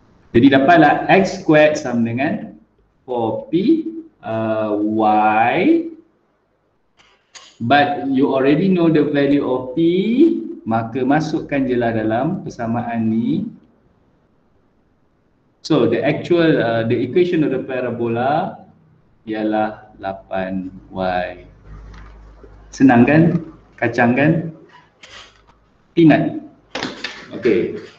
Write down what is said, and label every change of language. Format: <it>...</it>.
<ms>Jadi dapatlah X squared sama dengan 4P Y.</ms> <en>But you already know the value of P.</en> <ms>Maka masukkan je lah dalam persamaan ni.</ms> <en>So the actual, the equation of the parabola</en> <ms>ialah</ms> <en>8Y.</en> <ms>Senang kan? Kacang kan?</ms> <en>Peanut. Okay.</en>